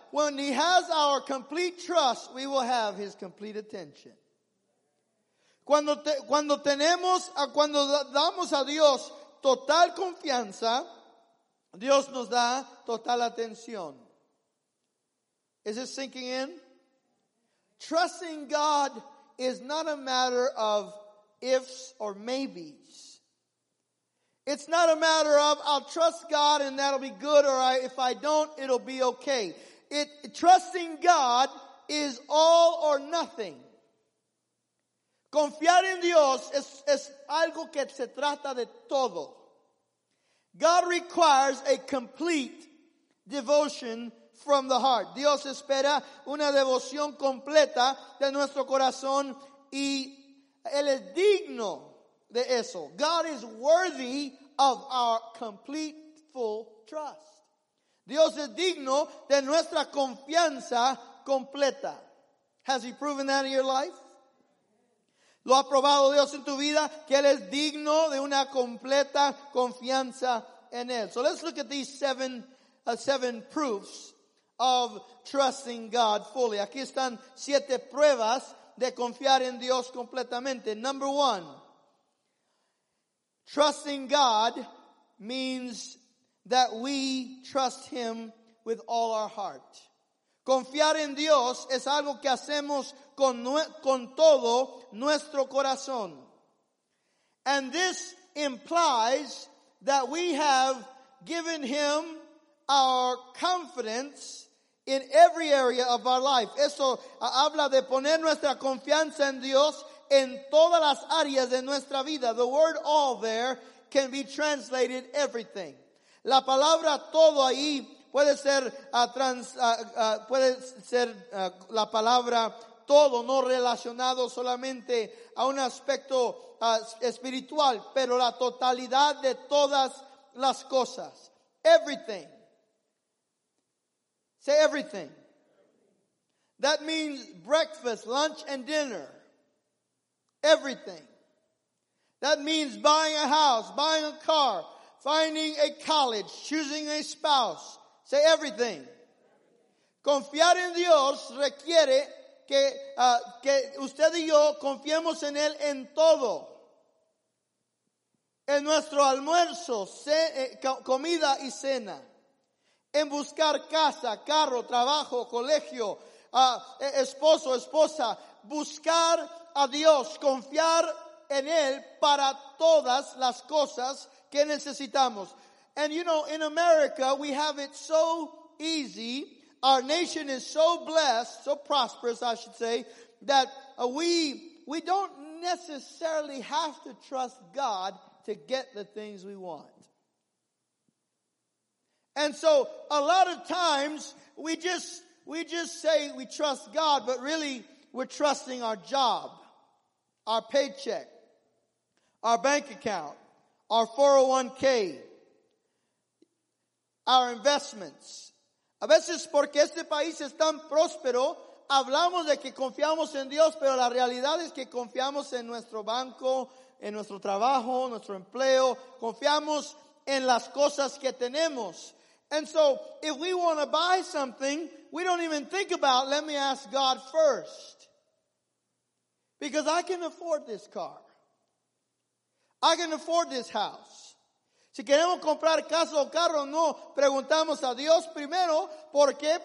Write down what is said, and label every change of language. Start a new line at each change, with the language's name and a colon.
English: When He has our complete trust, we will have His complete attention.
Spanish: Cuando damos a Dios total confianza, Dios nos da total atención.
English: Is this sinking in? Trusting God is not a matter of ifs or maybes. It's not a matter of I'll trust God and that'll be good, or if I don't, it'll be okay. Trusting God is all or nothing.
Spanish: Confiar en Dios es algo que se trata de todo.
English: God requires a complete devotion from the heart.
Spanish: Dios espera una devoción completa de nuestro corazón y Él es digno de eso.
English: God is worthy of our complete full trust.
Spanish: Dios es digno de nuestra confianza completa.
English: Has He proven that in your life?
Spanish: ¿Lo ha probado Dios en tu vida? Que Él es digno de una completa confianza en Él.
English: So let's look at these seven proofs of trusting God fully.
Spanish: Aquí están siete pruebas de confiar en Dios completamente.
English: Number one, trusting God means that we trust Him with all our heart.
Spanish: Confiar en Dios es algo que hacemos con todo nuestro corazón.
English: And this implies that we have given Him our confidence in every area of our life.
Spanish: Eso habla de poner nuestra confianza en Dios en todas las áreas de nuestra vida.
English: The word all there can be translated everything.
Spanish: La palabra todo ahí puede ser la palabra todo, no relacionado solamente a un aspecto espiritual, pero la totalidad de todas las cosas.
English: Everything. Say everything. That means breakfast, lunch, and dinner. Everything. That means buying a house, buying a car, finding a college, choosing a spouse. Say everything.
Spanish: Confiar en Dios requiere que usted y yo confiemos en Él en todo. En nuestro almuerzo, comida y cena. En buscar casa, carro, trabajo, colegio, esposo, esposa. Buscar a Dios, confiar en Él para todas las cosas que necesitamos.
English: And you know, in America, we have it so easy. Our nation is so blessed, so prosperous, I should say, that we don't necessarily have to trust God to get the things we want. And so, a lot of times, we just say we trust God, but really, we're trusting our job, our paycheck, our bank account, our 401k, our investments.
Spanish: A veces porque este país es tan próspero, hablamos de que confiamos en Dios, pero la realidad es que confiamos en nuestro banco, en nuestro trabajo, nuestro empleo, confiamos en las cosas que tenemos.
English: And so, if we want to buy something, we don't even think about, let me ask God first. Because I can afford this car. I can afford this house.
Spanish: Si queremos comprar casa o carro, no. Preguntamos a Dios primero. ¿Por qué?